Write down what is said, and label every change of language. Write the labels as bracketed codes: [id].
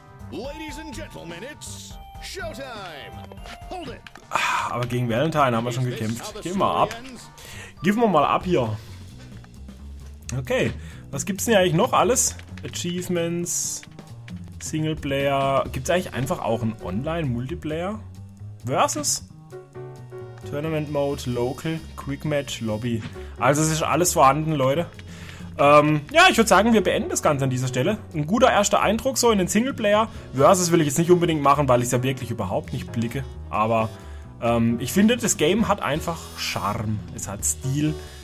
[en] Ladies and gentlemen, it's Showtime. Hold it. [de] Aber gegen Valentine haben wir schon gekämpft. Gehen wir ab. Geben wir mal ab hier. Okay, was gibt's denn eigentlich noch alles? Achievements, Singleplayer. Gibt's eigentlich einfach auch einen Online-Multiplayer? Versus? Tournament Mode, Local, Quick Match, Lobby. Also es ist alles vorhanden, Leute. Ja, ich würde sagen, wir beenden das Ganze an dieser Stelle. Ein guter erster Eindruck so in den Singleplayer. Versus will ich jetzt nicht unbedingt machen, weil ich es ja wirklich überhaupt nicht blicke. Aber ich finde, das Game hat einfach Charme. Es hat Stil.